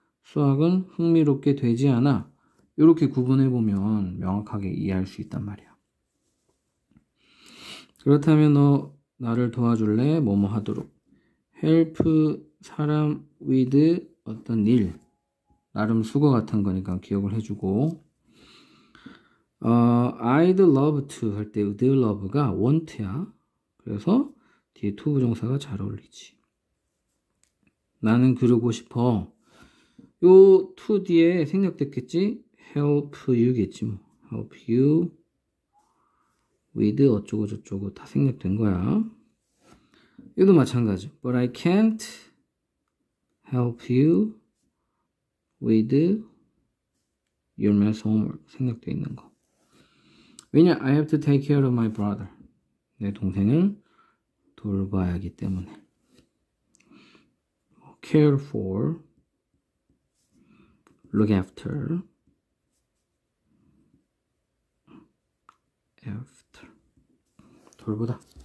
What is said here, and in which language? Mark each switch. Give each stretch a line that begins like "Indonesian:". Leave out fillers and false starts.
Korean: 수학은 흥미롭게 되지 않아. 이렇게 구분해 보면 명확하게 이해할 수 있단 말이야. 그렇다면 너 나를 도와줄래? 뭐뭐 하도록. Help 사람 with 어떤 일. 나름 수거 같은 거니까 기억을 해주고.
English: I'd love to
Korean: 할때
English: the love가 want야.
Korean: 그래서 뒤에 to 부정사가 잘 어울리지. 나는 그러고 싶어. 요 to 뒤에 생략됐겠지? Help you겠지 뭐.
English: Help you with
Korean: 어쩌고저쩌고 다 생략된 거야. 이것도 마찬가지.
English: But I can't help you with your math homework.
Korean: 생략되어 있는 거. 왜냐?
English: I have to take care of my brother.
Korean: 내 동생을 돌봐야 하기 때문에.
English: Care for, look after.
Korean: After. 돌보다.